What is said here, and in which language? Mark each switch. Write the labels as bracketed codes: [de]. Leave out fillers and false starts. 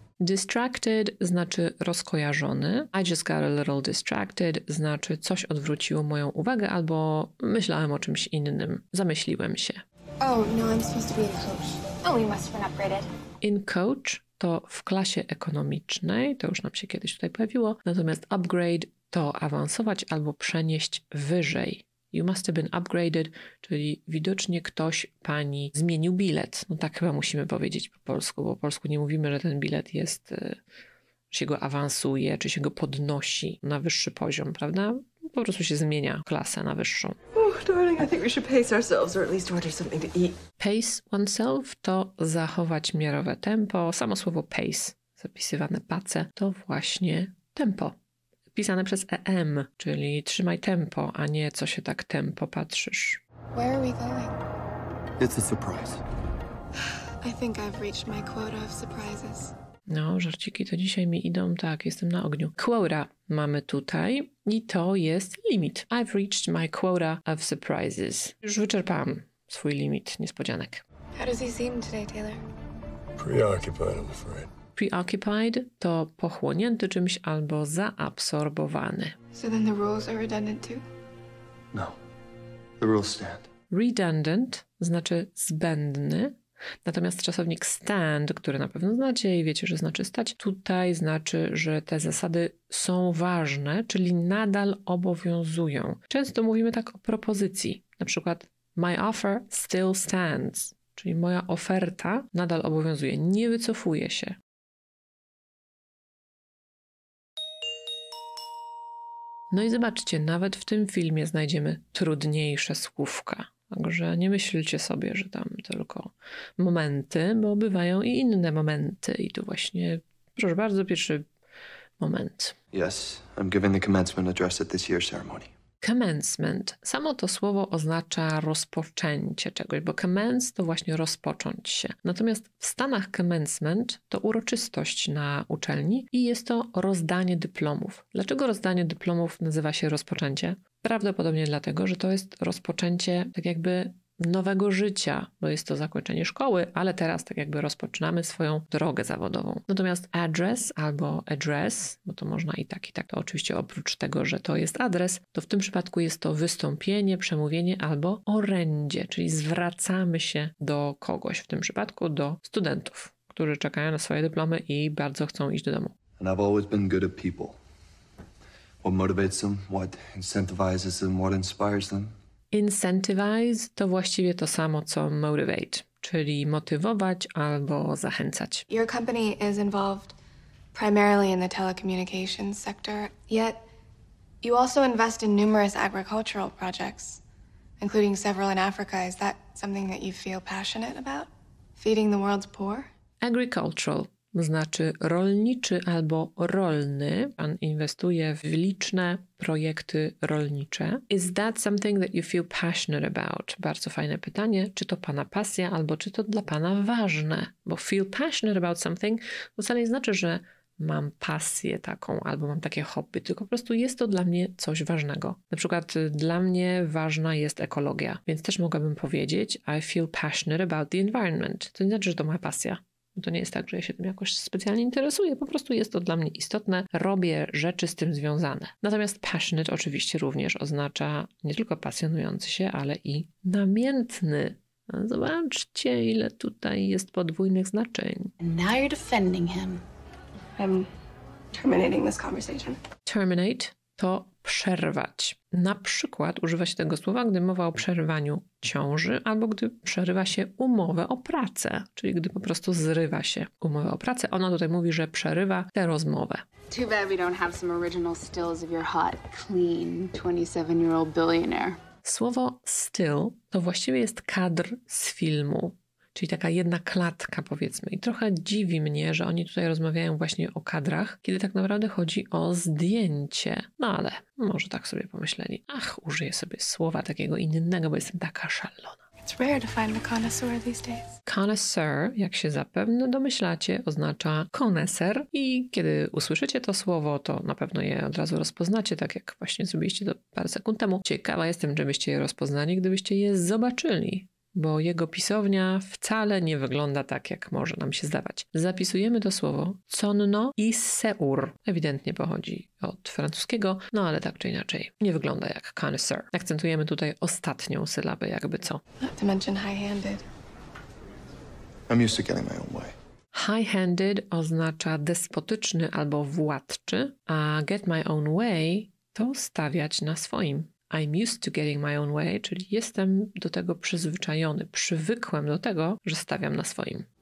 [pl] Distracted znaczy rozkojarzony. [en] I just got a little distracted [pl] znaczy coś odwróciło moją uwagę albo myślałem o czymś innym. Zamyśliłem się. [en] Oh, no, I'm supposed to be a coach. Oh, we must have been upgraded. [pl] In coach to w klasie ekonomicznej, to już nam się kiedyś tutaj pojawiło. Natomiast upgrade to awansować albo przenieść wyżej. [en] You must have been upgraded, [pl] czyli widocznie ktoś pani zmienił bilet. No tak chyba musimy powiedzieć po polsku, bo po polsku nie mówimy, że ten bilet jest, się go awansuje, czy się go podnosi na wyższy poziom, prawda? Po prostu się zmienia klasę na wyższą. [en] Oh, darling, I think we should pace ourselves or at least order something to eat. [pl] Pace oneself to zachować miarowe tempo. Samo słowo pace, zapisywane pace, to właśnie tempo. Pisane przez EM, czyli trzymaj tempo, a nie co się tak tempo patrzysz. [en] Where are we going? It's a surprise. I think I've reached my quota of surprises. [pl] No, żarciki to dzisiaj mi idą, tak, jestem na ogniu. Quota mamy tutaj i to jest limit. [en] I've reached my quota of surprises. [pl] Już wyczerpałam swój limit niespodzianek. [en] How does he seem today, Taylor? Preoccupied, I'm afraid. [pl] Preoccupied to pochłonięty czymś albo zaabsorbowany. [en] So then the rules are redundant too? No. The rules stand. [pl] Redundant znaczy zbędny, natomiast czasownik stand, który na pewno znacie i wiecie, że znaczy stać, tutaj znaczy, że te zasady są ważne, czyli nadal obowiązują. Często mówimy tak o propozycji, na przykład [en] my offer still stands, [pl] czyli moja oferta nadal obowiązuje, nie wycofuje się. No i zobaczcie, nawet w tym filmie znajdziemy trudniejsze słówka. Także nie myślcie sobie, że tam tylko momenty, bo bywają i inne momenty. I tu właśnie, proszę bardzo, pierwszy moment. [en] Yes, I'm giving the commencement address at this year's ceremony. Commencement. [pl] Samo to słowo oznacza rozpoczęcie czegoś, bo commence to właśnie rozpocząć się. Natomiast w Stanach commencement to uroczystość na uczelni i jest to rozdanie dyplomów. Dlaczego rozdanie dyplomów nazywa się rozpoczęcie? Prawdopodobnie dlatego, że to jest rozpoczęcie tak jakby nowego życia, bo jest to zakończenie szkoły, ale teraz tak jakby rozpoczynamy swoją drogę zawodową. Natomiast address albo address, bo to można i tak, to oczywiście oprócz tego, że to jest adres, to w tym przypadku jest to wystąpienie, przemówienie albo orędzie, czyli zwracamy się do kogoś, w tym przypadku do studentów, którzy czekają na swoje dyplomy i bardzo chcą iść do domu. [en] And I've always been good at people. What motivates them, what incentivizes them, what inspires them. [pl] Incentivize to właściwie to samo co motivate, czyli motywować albo zachęcać. [en] Your company is involved primarily in the telecommunications sector, yet you also invest in numerous agricultural projects, including several in Africa. Is that something that you feel passionate about? Feeding the world's poor? [pl] Agricultural znaczy rolniczy albo rolny. Pan inwestuje w liczne projekty rolnicze. [en] Is that something that you feel passionate about? [pl] Bardzo fajne pytanie. Czy to pana pasja, albo czy to dla pana ważne? Bo [en] feel passionate about something [pl] wcale nie znaczy, że mam pasję taką, albo mam takie hobby, tylko po prostu jest to dla mnie coś ważnego. Na przykład dla mnie ważna jest ekologia, więc też mogłabym powiedzieć [en] I feel passionate about the environment. [pl] To nie znaczy, że to moja pasja. To nie jest tak, że ja się tym jakoś specjalnie interesuję, po prostu jest to dla mnie istotne, robię rzeczy z tym związane. Natomiast passionate oczywiście również oznacza nie tylko pasjonujący się, ale i namiętny. Zobaczcie, ile tutaj jest podwójnych znaczeń. [en] Now you're defending him. I'm terminating this conversation. [pl] Terminate to przerwać. Na przykład używa się tego słowa, gdy mowa o przerwaniu ciąży albo gdy przerywa się umowę o pracę, czyli gdy po prostu zrywa się umowę o pracę. Ona tutaj mówi, że przerywa tę rozmowę. [en] Too bad we don't have some original stills of your hot, clean 27-year-old billionaire. [pl] Słowo still to właściwie jest kadr z filmu. Czyli taka jedna klatka, powiedzmy. I trochę dziwi mnie, że oni tutaj rozmawiają właśnie o kadrach, kiedy tak naprawdę chodzi o zdjęcie. No ale może tak sobie pomyśleli. Ach, użyję sobie słowa takiego innego, bo jestem taka szalona. [en] It's rare to find a connoisseur these days. [pl] Connoisseur, jak się zapewne domyślacie, oznacza koneser. I kiedy usłyszycie to słowo, to na pewno je od razu rozpoznacie, tak jak właśnie zrobiliście to parę sekund temu. Ciekawa jestem, czy byście je rozpoznali, gdybyście je zobaczyli. Bo jego pisownia wcale nie wygląda tak, jak może nam się zdawać. Zapisujemy to słowo conno i seur. Ewidentnie pochodzi od francuskiego, no ale tak czy inaczej nie wygląda jak connoisseur. Akcentujemy tutaj ostatnią sylabę, jakby co. [en] Not to mention high-handed. I'm used to getting my own way. [pl] High-handed oznacza despotyczny albo władczy, a [en] get my own way [pl] to stawiać na swoim. [en] I'm used to getting my own way, [pl] czyli jestem do tego przyzwyczajony, przywykłem do tego, że stawiam na swoim.